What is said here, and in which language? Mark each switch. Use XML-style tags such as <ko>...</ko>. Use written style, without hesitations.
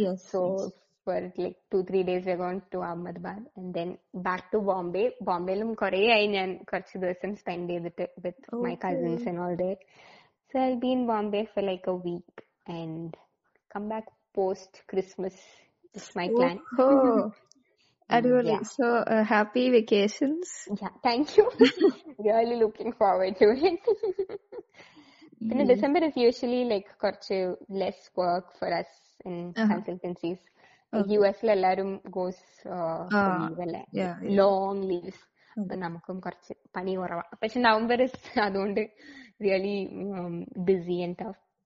<en>So for like 2-3 days we go to Ahmedabad and then back to Bombay.</en> <ml>ബോംബെയിലും കൊറേ ആയി ഞാൻ കുറച്ച് ദിവസം സ്പെൻഡ് ചെയ്തിട്ട്</ml> <en>With my cousins and all that. So I will be in Bombay for like a week and come back post Christmas is my plan. Adulay, yeah. So happy vacations. Yeah, thank you. Really looking forward to it. പിന്നെ December is usually like കുറച്ച് less work for us in consultancies</en> <ml>U എസിൽ എല്ലാരും</ml> <en>goes for leave അല്ലേ long leaves</en> <ml>അപ്പൊ നമുക്കും കുറച്ച് പണി കുറവാ പക്ഷെ</ml> <en>November is അതുകൊണ്ട് really busy and tough</en>